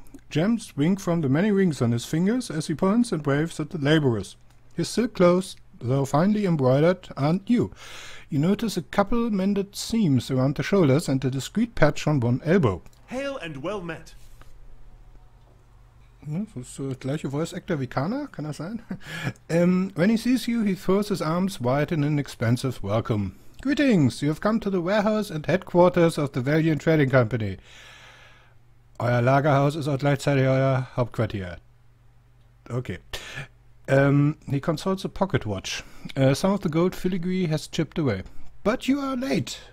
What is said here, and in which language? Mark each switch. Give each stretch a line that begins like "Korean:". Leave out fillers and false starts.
English: Gems wink from the many rings on his fingers as he points and waves at the laborers. His silk clothes, though finely embroidered, aren't new. You notice a couple mended seams around the shoulders and a discreet patch on one elbow. Hail and well met.
German: So, so gleiche Voice Actor wie Kana, kann das sein?
English: When he sees you, he throws his arms wide in an expansive welcome. Greetings, you have come to the warehouse and headquarters of the Valiant Trading Company.
German: Euer Lagerhaus ist auch gleichzeitig euer Hauptquartier. Okay.
English: He consults a pocket watch. Some of the gold filigree has chipped away. But you are late.